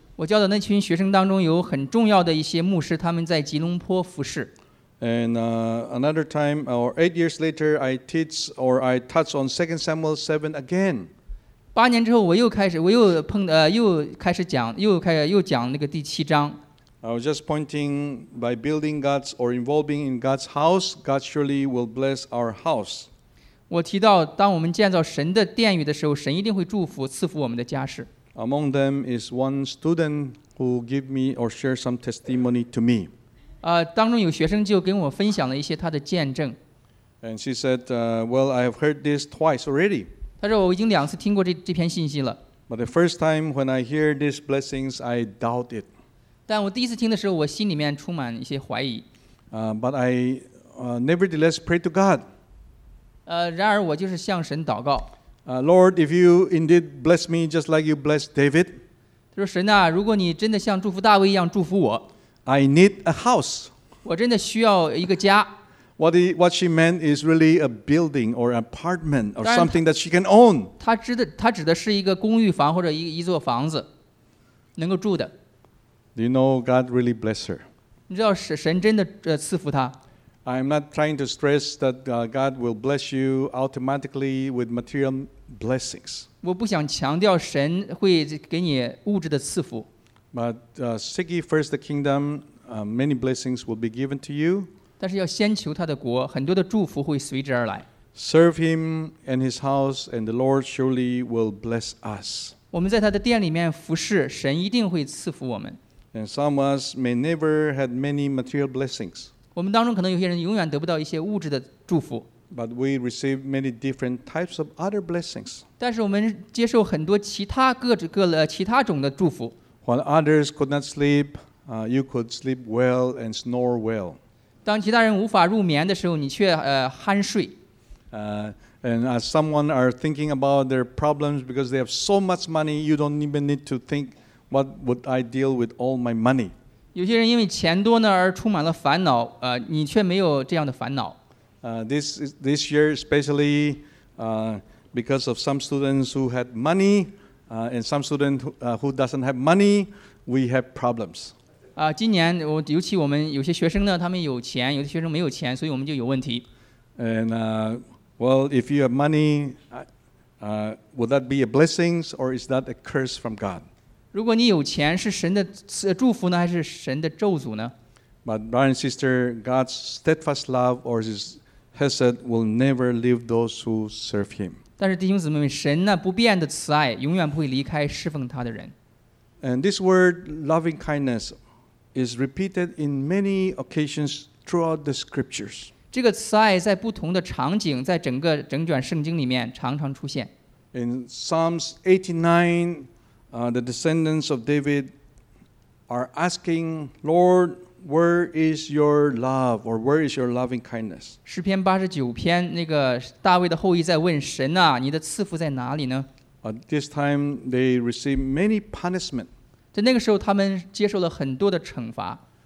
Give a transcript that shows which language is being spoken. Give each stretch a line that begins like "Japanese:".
Chinese: 我教的那群学生当中有很重要的一些牧师，他们在吉隆坡服事。
English: And another time, or 8 years later, I touch on 2 Samuel 7 again.
Chinese: 八年之后，我又开始讲那个第七章。
English: I was just pointing by building God's or involving in God's house, God surely will bless our house.
Chinese: 我提到，当我们建造神的殿宇的时候，神一定会祝福、赐福我们的家室。
English: Among them is one student who gave me or shared some testimony to me.
Chinese: 当中有学生就跟我分享了一些他的见证。
English: And she said, "Well, I have heard this twice already."
Chinese: 她说我已经两次听过这篇信息了。
English: But the first time when I hear these blessings, I doubt it.
Chinese: 但我第一次听的时候，我心里面充满一些怀疑。
English: But I nevertheless pray to God.
Chinese: 然而我就是向神祷告。
English: Lord, if you indeed bless me just like you blessed David,
Chinese: 他说神啊，如果你真的像祝福大卫一样祝福我，
English: I need a house.
Chinese: 我真的需要一个家。
English: What she meant is really a building or apartment or something that she can own.
Chinese: 她指的是一个公寓房或者一座房子，能够住的。
English: Do you know God really bless her?
Chinese: 你知道神真的赐福她。
English: I'm not trying to stress that God will bless you automatically with material blessings.
Chinese: 我不想强调神会给你物质的赐福。
English: But seek ye first the kingdom, many blessings will be given to you.
Chinese: 但是要先求他的国，很多的祝福会随之而来。
English: Serve him and his house, and the Lord surely will bless us.
Chinese: 我们在他的殿里面服侍，神一定会赐福我们。
English: And some of us may never have many material blessings.
Chinese: 我们当中可能有些人永远得不到一些物质的祝福。
English: But we receive many different types of other blessings.
Chinese: 但是我们接受很多其他其他种的祝福。
English: While others could not sleep, you could sleep well and snore well.
Chinese: 当其他人无法入眠的时候，你却酣睡。
English: And as someone are thinking about their problems because they have so much money, you don't even need to think, what would I deal with all my money?
Chinese: 有些人因为钱多呢而充满了烦恼，你却没有这样的烦恼。
English: This year especially, because of some students who had money, and some student who doesn't have money, we have problems.
Chinese: 今年我尤其我们有些学生呢，他们有钱，有些学生没有钱，所以我们就有问题。
English: And well, if you have money, would that be a blessing or is that a curse from God?
Chinese: 如果你有钱，是神的祝福呢，还是神的咒诅呢
English: ？But brother and sister, God's steadfast love or His hesed will never leave those who serve Him.
Chinese: 但是弟兄姊妹们，神那不变的慈爱永远不会离开侍奉他的人。
English: And this word, loving kindness. Is repeated in many occasions throughout the scriptures.
Chinese: 这个慈爱在不同的场景，在整卷圣经里面常常出现。
English: In Psalms 89, the descendants of David are asking, "Lord, where is your love, or where is your loving kindness?"
Chinese: 诗篇八十九篇，那个大卫的后裔在问神啊，你的赐福在哪里呢
English: ？But this time they receive many punishment.
Chinese: 在那个时候，他们接受了很多的惩罚。